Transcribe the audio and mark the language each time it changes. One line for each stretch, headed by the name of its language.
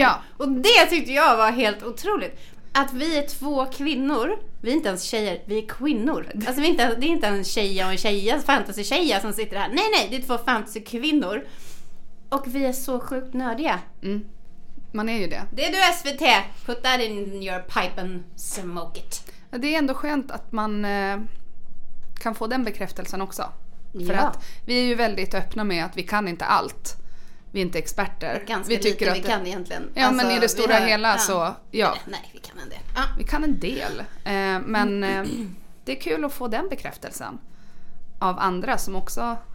Swedish: Ja. Och det tyckte jag var helt otroligt. Att vi är två kvinnor. Vi är inte ens tjejer, vi är kvinnor. Alltså vi är inte, det är inte en tjej och en tjej, en fantasy tjej som sitter här. Nej, nej, det är två fantasy kvinnor. Och vi är så sjukt nördiga. Mm. Man är ju det. Det är du, SVT.
English: Put that in your pipe and smoke it.
Swedish: Ja, det är ändå skönt att man kan få den bekräftelsen också. Ja. För att vi är ju väldigt öppna med att vi kan inte allt. Vi är inte experter. Ganska vi tycker lite att vi kan egentligen. Ja, alltså, men i det stora har, hela så... Ja. Ja. Nej, vi kan en del. Ah. Vi kan en del. Men det är kul att få den bekräftelsen av andra som också...